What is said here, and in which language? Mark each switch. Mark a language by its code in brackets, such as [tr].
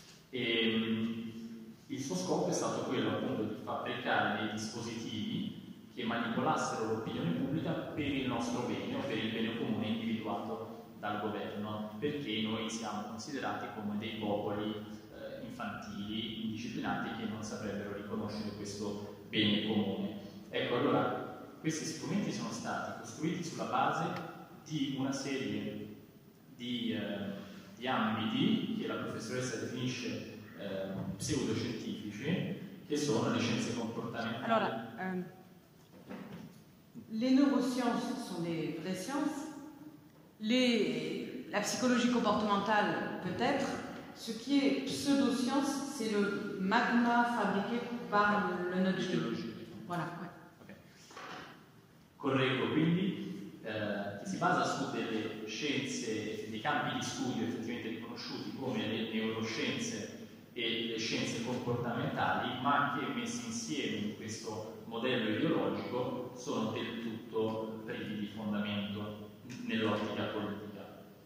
[it] E il suo scopo è stato quello appunto di fabbricare dei dispositivi che manipolassero l'opinione pubblica per il nostro bene o per il bene comune individuato dal governo, perché noi siamo considerati come dei popoli infantili, indisciplinati, che non saprebbero riconoscere questo bene comune. Ecco, allora, questi strumenti sono stati costruiti sulla base di una serie di ambiti che la professoressa definisce pseudoscientifici, che sono le scienze comportamentali. [fr] Allora, le neurosciences sono des vraies sciences, la psychologie comportementale peut-être, ce qui est pseudoscience, c'est le magma fabriqué par le Nudge. Voilà, ouais. Okay. [it] Correggo, quindi si basa su delle scienze, dei campi di studio effettivamente riconosciuti come le neuroscienze e le scienze comportamentali, ma che messi insieme in questo modello ideologico sono del tutto privi di fondamento nell'ottica politica.